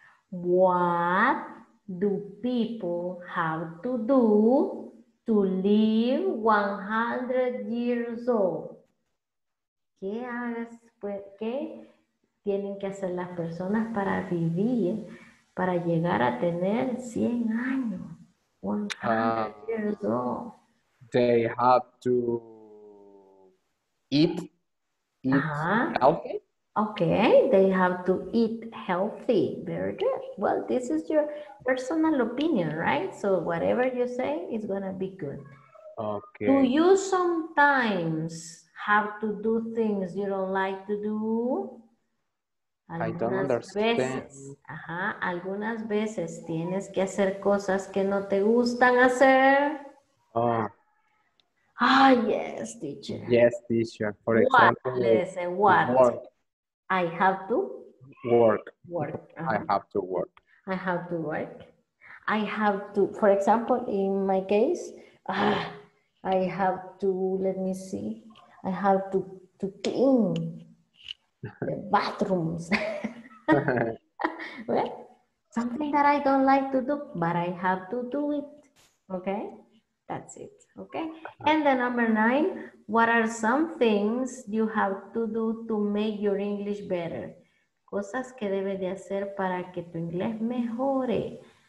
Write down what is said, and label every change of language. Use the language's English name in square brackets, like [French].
[English] What do people have to do to live 100 years old? [Spanish] ¿Qué tienen que hacer las personas para vivir, para llegar a tener 100 años? [English] 100 years old. They have to eat healthy. Okay, they have to eat healthy. Very good. Well, this is your personal opinion, right? So whatever you say is gonna be good. Okay. Do you sometimes have to do things you don't like to do? [Spanish] Algunas [English] I don't understand. [Spanish] Veces, ajá, algunas veces tienes que hacer cosas que no te gustan hacer. Oh. [English] Ah, yes, teacher. Yes, teacher. For example, what? Listen, what? Work. I have to? Work. Work. Uh-huh. I have to work. I have to work. I have to, for example, in my case, I have to, let me see, I have to clean the bathrooms. Well, something that I don't like to do, but I have to do it. Okay, that's it. Okay, and the number 9, what are some things you have to do to make your English better? [Spanish] Cosas que debe de hacer para que tu inglés mejore.